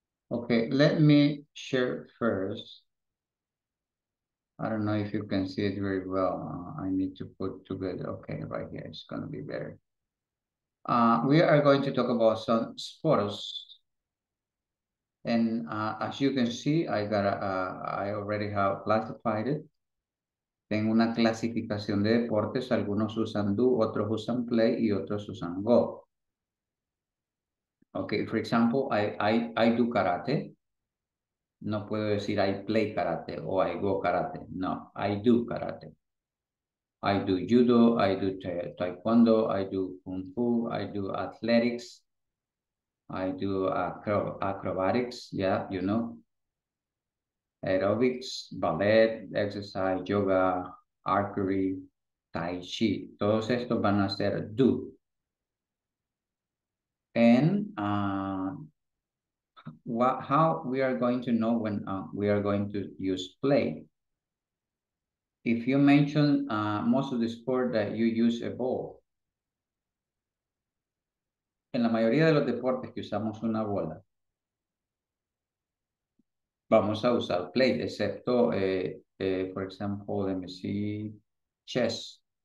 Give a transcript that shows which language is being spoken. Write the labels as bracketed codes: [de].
[en] Okay, let me share first. I don't know if you can see it very well. I need to put together. Okay, right here, it's gonna be better. We are going to talk about some sports. And as you can see, I already have classified it. [es] Tengo una clasificación de deportes. Algunos usan do, otros usan play, y otros usan go. [en] Okay, for example, I do karate. [es] No puedo decir [en] I play karate o I go karate. No, I do karate. I do judo, I do taekwondo, I do kung fu, I do athletics. I do acrobatics, yeah, you know. Aerobics, ballet, exercise, yoga, archery, tai chi. [es] Todos estos van a ser do. [en] And how we are going to know when we are going to use play? If you mention most of the sport that you use a ball. [es] En la mayoría de los deportes que usamos una bola, vamos a usar play, excepto, [en] for example, let me see, chess.